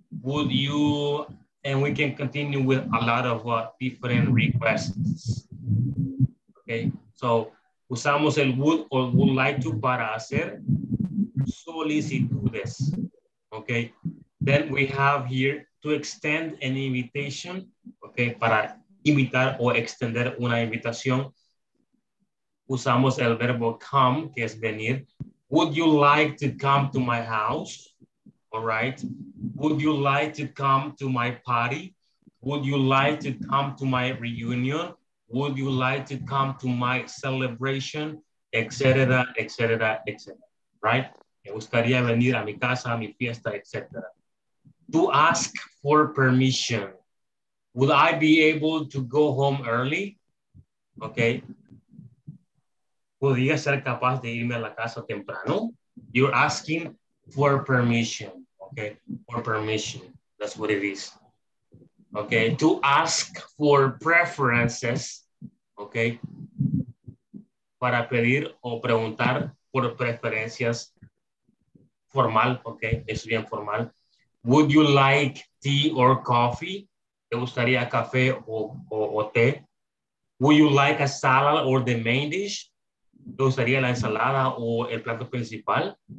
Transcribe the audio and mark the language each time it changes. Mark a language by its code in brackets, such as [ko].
[en] Would you, and we can continue with a lot of different requests. Okay, so [es] usamos el would or would like to para hacer, solicitudes. [en] Okay. Then we have here to extend an invitation. Okay. [es] Para invitar o extender una invitación, usamos el verbo come, que es venir. [en] Would you like to come to my house? All right. Would you like to come to my party? Would you like to come to my reunion? Would you like to come to my celebration? Etc., etc., etc. Right? [es] Me gustaría venir a mi casa, a mi fiesta, etc. [en] To ask for permission. Would I be able to go home early? Okay. [es] ¿Podría ser capaz de irme a la casa temprano? [en] You're asking for permission. Okay. For permission. That's what it is. Okay. To ask for preferences. Okay. [es] Para pedir o preguntar por preferencias. Formal. Okay. Es bien formal. [en] Would you like tea or coffee? [es] ¿Te gustaría café o té? [en] Would you like a salad or the main dish? [es] ¿Te gustaría la ensalada o el plato principal?